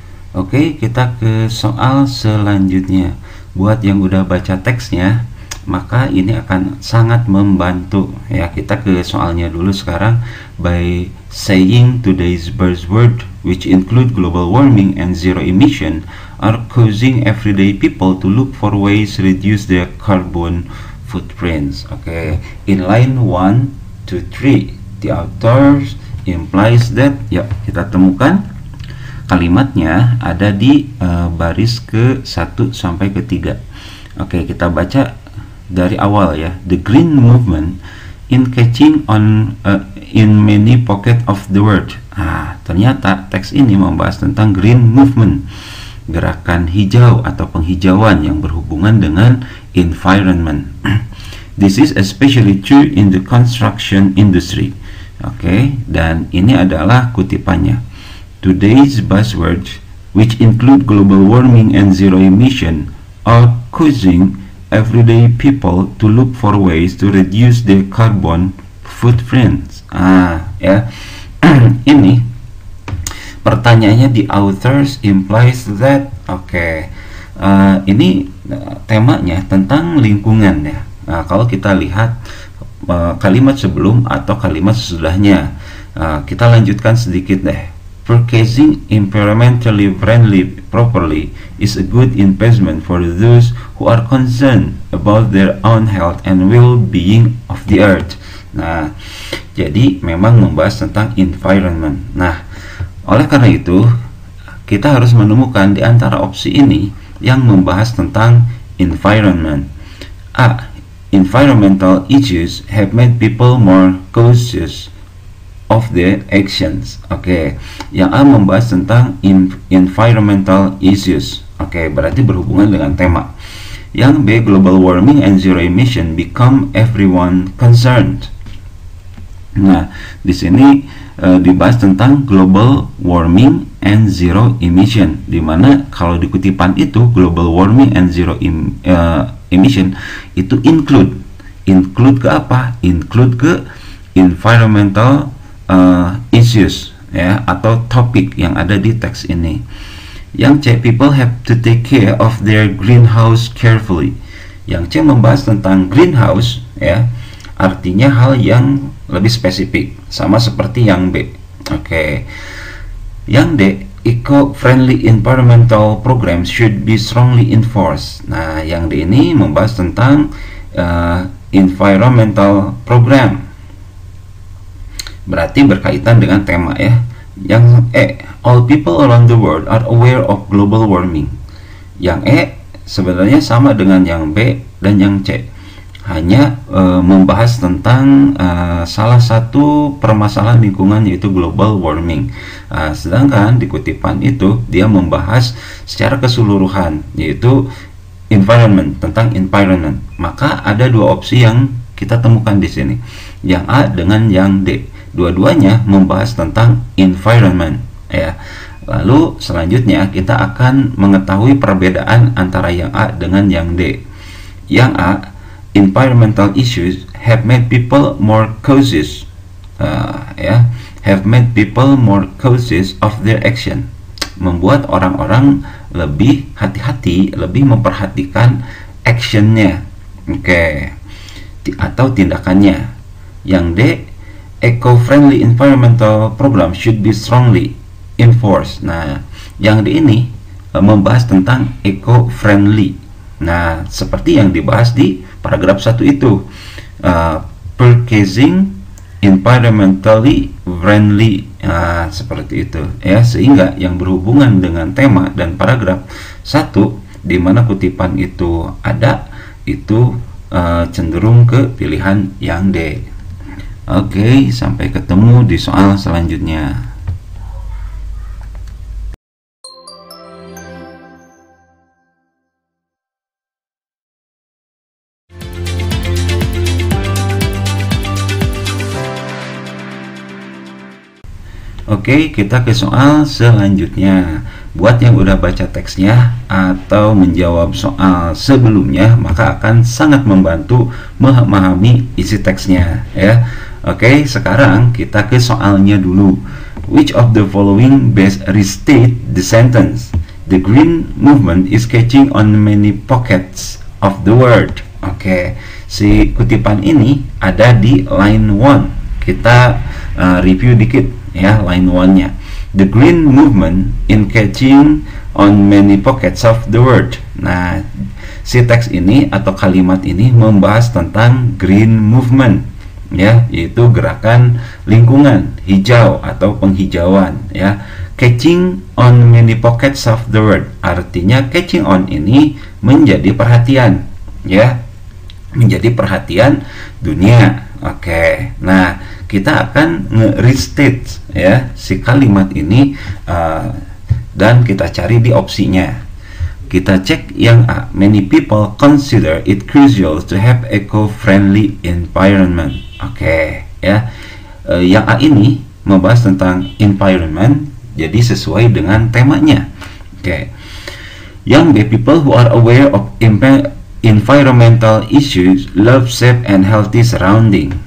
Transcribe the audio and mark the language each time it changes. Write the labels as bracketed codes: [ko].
[id] Oke, kita ke soal selanjutnya. Buat yang udah baca teksnya, maka ini akan sangat membantu. Ya, kita ke soalnya dulu sekarang. [en] By saying today's buzzword, which include global warming and zero emission, are causing everyday people to look for ways to reduce their carbon footprints. [id] Oke, [en] in line 1 to 3, the author implies that, [id] ya, kita temukan kalimatnya ada di baris ke-1 sampai ke-3. Oke, kita baca dari awal ya. [en] The green movement in catching on in many pocket of the world. [id] Ah, ternyata teks ini membahas tentang green movement, gerakan hijau atau penghijauan yang berhubungan dengan environment. [en] This is especially true in the construction industry. [id] Oke, dan ini adalah kutipannya. [en] Today's buzzword, which include global warming and zero emission, are causing everyday people to look for ways to reduce their carbon footprints. [id] Ah, ya. Ini pertanyaannya, [en] the authors implies that. [id] Oke, okay. Ini temanya tentang lingkungan ya. Nah, kalau kita lihat kalimat sebelum atau kalimat sesudahnya, kita lanjutkan sedikit deh. [en] Purchasing environmentally friendly properly is a good investment for those who are concerned about their own health and well-being of the earth. [id] Nah, jadi memang membahas tentang environment. Nah, oleh karena itu, kita harus menemukan di antara opsi ini yang membahas tentang environment. A. [en] Environmental issues have made people more cautious of the actions. [id] Oke, okay. Yang A membahas tentang environmental issues. Oke, okay, berarti berhubungan dengan tema. Yang B, [en] global warming and zero emission become everyone concerned. [id] Nah, di sini dibahas tentang global warming and zero emission, di mana kalau di kutipan itu global warming and zero emission itu include ke apa? Include ke environmental issues ya, atau topik yang ada di teks ini. Yang C, [en] people have to take care of their greenhouse carefully. [id] Yang C membahas tentang greenhouse ya, artinya hal yang lebih spesifik, sama seperti yang B. Oke. Yang D, [en] eco-friendly environmental programs should be strongly enforced. [id] Nah, yang D ini membahas tentang environmental program. Berarti berkaitan dengan tema ya. Yang E, [en] all people around the world are aware of global warming. [id] Yang E sebenarnya sama dengan yang B dan yang C, hanya membahas tentang salah satu permasalahan lingkungan, yaitu global warming. Sedangkan di kutipan itu dia membahas secara keseluruhan, yaitu environment, tentang environment. Maka ada dua opsi yang kita temukan di sini, yang A dengan yang D. Dua-duanya membahas tentang environment ya. Lalu selanjutnya kita akan mengetahui perbedaan antara yang A dengan yang D. Yang A, [en] environmental issues have made people more cautious [id] ya, [en] have made people more cautious of their action, [id] membuat orang-orang lebih hati-hati, lebih memperhatikan actionnya. Oke, okay. Atau tindakannya. Yang D, [en] eco-friendly environmental program should be strongly enforced. [id] Nah, yang di ini membahas tentang eco-friendly. Nah, seperti yang dibahas di paragraf 1 itu, [en] purchasing environmentally friendly [id] Nah, seperti itu ya, sehingga yang berhubungan dengan tema dan paragraf satu di mana kutipan itu ada itu cenderung ke pilihan yang D. Oke, sampai ketemu di soal selanjutnya. Oke, kita ke soal selanjutnya. Buat yang udah baca teksnya atau menjawab soal sebelumnya, maka akan sangat membantu memahami isi teksnya ya. Oke, sekarang kita ke soalnya dulu. [en] Which of the following best restate the sentence? The green movement is catching on many pockets of the world. [id] Oke, si kutipan ini ada di line 1. Kita review dikit ya, line 1-nya. [en] The green movement in catching on many pockets of the world. [id] Nah, si teks ini atau kalimat ini membahas tentang green movement ya, yaitu gerakan lingkungan hijau atau penghijauan ya. [en] Catching on many pockets of the world [id] artinya [en] catching on [id] ini menjadi perhatian ya, menjadi perhatian dunia. Oke, nah kita akan nge-restate ya si kalimat ini dan kita cari di opsinya. Kita cek yang A, [en] many people consider it crucial to have eco-friendly environment. [id] Oke, okay, ya. Yang A ini membahas tentang environment, jadi sesuai dengan temanya. Oke. Okay. Yang B, [en] people who are aware of environmental issues love safe and healthy surrounding.